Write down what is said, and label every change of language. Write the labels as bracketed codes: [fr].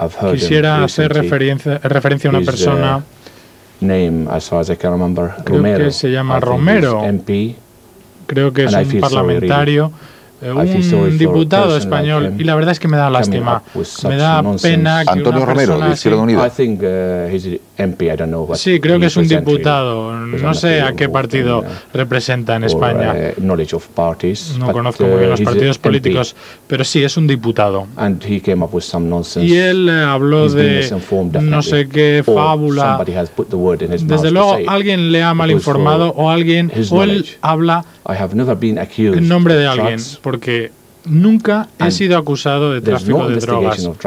[es] Quisiera hacer referencia a una persona. [en] Name, as far as I can remember, [es] creo Romero. Que se llama Romero, [en] MP, [es] creo que es un parlamentario, un diputado español, y la verdad es que me da lástima, me da pena que Antonio Romero, persona, de Izquierda Unida. [en] I think, he's MP, I don't know, but [es] sí, creo que es un diputado, no sé a qué partido representa en España, [en] knowledge of parties, [es] no conozco muy bien los partidos políticos, pero sí, es un diputado. [en] And he came up with some nonsense. [es] Y él habló de no sé qué fábula, desde luego alguien le ha mal informado o alguien, o él habla en nombre de alguien, porque nunca he sido acusado de tráfico de drogas.